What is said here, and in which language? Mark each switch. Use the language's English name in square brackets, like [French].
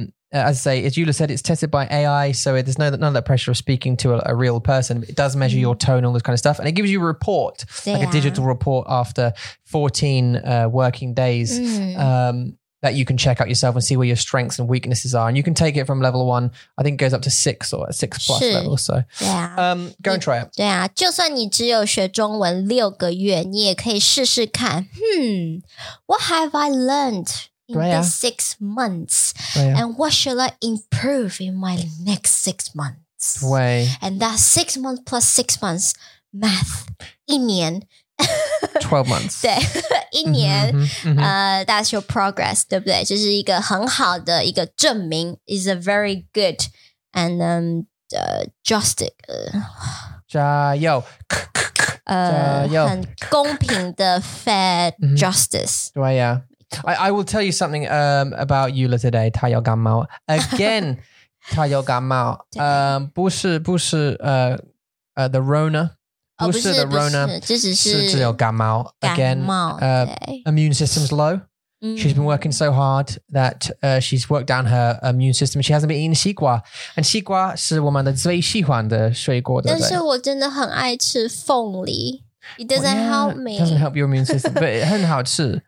[English] As I say, as Yula said, it's tested by AI, so there's none of that pressure of speaking to a real person. It does measure your tone, all this kind of stuff, and it gives you a report, like a digital report after 14 working days that you can check out yourself and see where your strengths and weaknesses are. And you can take it from level one, I think it goes up to six or six plus level. So go and try it. [Chinese] 对啊，就算你只有学中文六个月，你也可以试试看。 [English] What have I learned? In the 6 months. And what shall I improve in my next 6 months? And that 6 months plus 6 months, math, [Chinese] 一年. [English] 12 months. [Chinese] 对, 一年, [English] that's your progress, [Chinese] 对不对? 就是一个很好的一个证明, [English] is a very good and justic. [Chinese] 加油。很公平的 [English] fair justice. [Chinese] 对呀。 [English] I will tell you something about Yula today. [Chinese] 她有感冒 again. 她有感冒不是the Rona. 不是 [English] the Rona. [Chinese] 是只有感冒 [English] again. Immune system's low. She's been working so hard that she's worked down her immune system. She hasn't been eating 西瓜 and [Chinese] 西瓜是我们的最喜欢的水果。但是我真的很爱吃凤梨。 [English] It doesn't help me. It doesn't help your immune system, but it's [Chinese] 很好吃。